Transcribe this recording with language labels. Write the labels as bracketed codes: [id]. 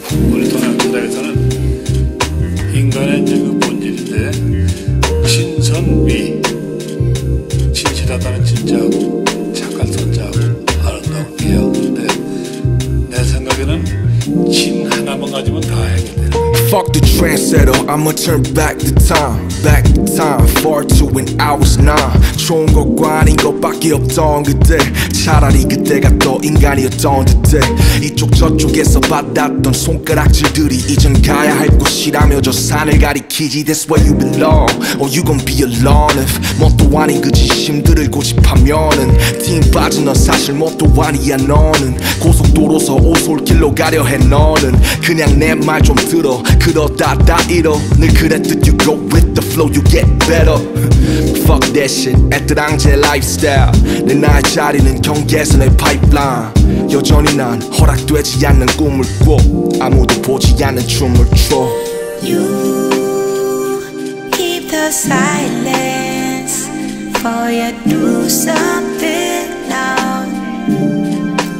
[ko] 우리 동양군단에서는 인간의 그 본질인데 신선미 진실하다는 진짜하고 착할 손자하고 아름다운 귀여운데 내 생각에는 진 하나만 가지면 다 해결되는 거야. [en] Fuck the trendsetter, I'ma turn back the time. Back the time, far to when I was nine. [ko] 좋은 것과 아닌 것밖에 없던 그때. 차라리 그때가 더 인간이었던 듯해. 이쪽 저쪽에서 받았던 손가락질들이 이젠 가야 할 곳이라며 저 산을 가리키지. [en] That's where you belong, or you gon' be alone. If [ko] 뭣도 아닌 그 진심들을 고집하면은 팀 빠진 넌 사실 뭣도 아니야 너는. 고속도로서 오솔길로 가려 해 너는. 그냥 내 말 좀 들어. 그러다 다 잃어. 늘 그랬듯 [en] you go with the flow you get better. Fuck that shit. [ko] 애틀랑제 lifestyle. 내 나의 자리는 경계선의 pipeline. 여전히 난 허락되지 않는 꿈을 꾸어 아무도 보지 않는 춤을 춰. [en] You keep the silence for you do something loud.